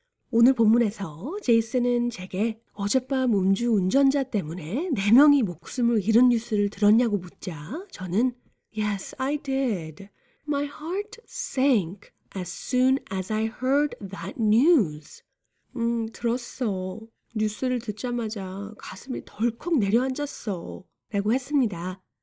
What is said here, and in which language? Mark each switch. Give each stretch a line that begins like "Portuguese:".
Korean: 오늘 본문에서 제이슨은 제게 어젯밤 음주운전자 때문에 4명이 목숨을 잃은 뉴스를 들었냐고 묻자 저는
English: Yes, I did. My heart sank as soon as I heard that news.
Korean: 들었어. 뉴스를 듣자마자 가슴이 덜컥 내려앉았어 라고 했습니다.